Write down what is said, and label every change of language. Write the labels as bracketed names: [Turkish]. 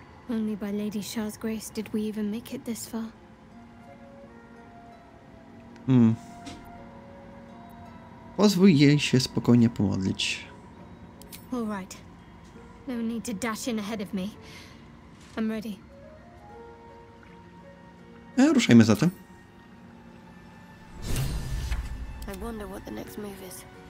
[English] Only by Lady Shah's grace did we even make it this far. [Polish] Pozwól jej się spokojnie pomodlić. [English] All right. No need to dash in ahead of me. I'm ready. [Polish] Ruszajmy zatem. [English] I wonder what the next move is.